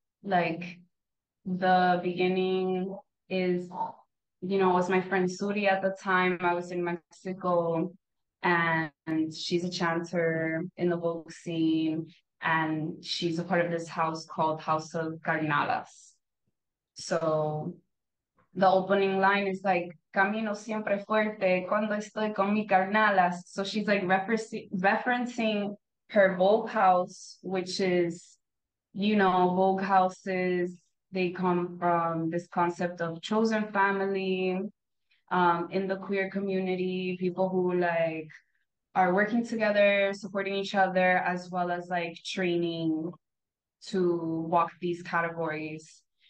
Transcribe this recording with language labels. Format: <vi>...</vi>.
<en>Like, the beginning is, you know, it was my friend Suri at the time. I was in Mexico, and she's a chanter in the vogue scene, and she's a part of this house called House of Carnadas. So the opening line is like,</en> <es>camino siempre fuerte cuando estoy con mi carnalas.</es> <en>So she's like referencing her Vogue house, which is, you know, Vogue houses, they come from this concept of chosen family in the queer community, people who like are working together, supporting each other, as well as like training to walk these categories.</en>